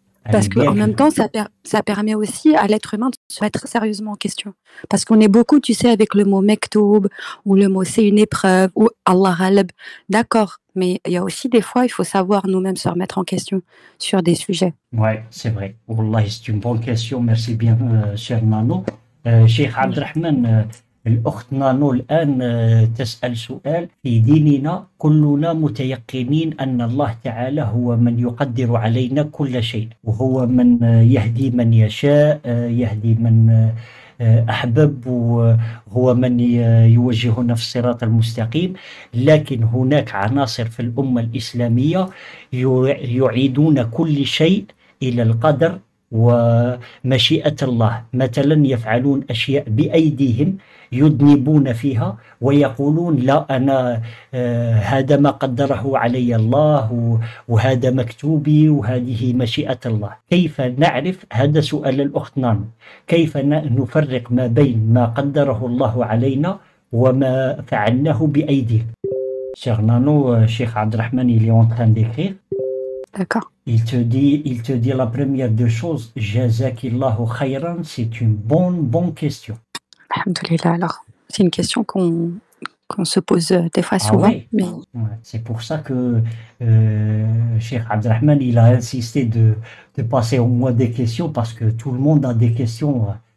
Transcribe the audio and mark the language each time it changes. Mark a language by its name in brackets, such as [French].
[French] Parce qu'en même temps, ça permet aussi à l'être humain de se mettre sérieusement en question. Parce qu'on est beaucoup, tu sais, avec le mot mektoub, ou le mot c'est une épreuve, ou [Arabic] Allah ghalb. [French] D'accord, mais il y a aussi des fois, il faut savoir nous-mêmes se remettre en question sur des sujets. Oui, c'est vrai. Wallah, c'est une bonne question. Merci bien, cher Nano. [Arabic] Cheikh Abdelrahman, الأخت نانو الآن تسأل سؤال في ديننا كلنا متيقنين أن الله تعالى هو من يقدر علينا كل شيء وهو من يهدي من يشاء يهدي من أحبب وهو من يوجه نفس الصراط المستقيم لكن هناك عناصر في الأمة الإسلامية يعيدون كل شيء إلى القدر ومشيئة الله مثلا يفعلون أشياء بأيديهم يذنبون فيها ويقولون لا أنا هذا ما قدره علي الله وهذا مكتوبي وهذه مشيئة الله كيف نعرف هذا سؤال الأخت نان كيف نفرق ما بين ما قدره الله علينا وما فعلناه بأيديه شيخ نانو شيخ عبد الرحمن اليوم تندخي [French] D'accord. Il te dit la première des choses, [Arabic] Jazakillahu khayran, [French] c'est une bonne question. Alhamdoulilah, alors, c'est une question qu'on se pose des fois souvent. Ouais. Mais... Ouais. C'est pour ça que Cheikh Abdelrahman, il a insisté de passer au moins des questions, parce que tout le monde a des questions.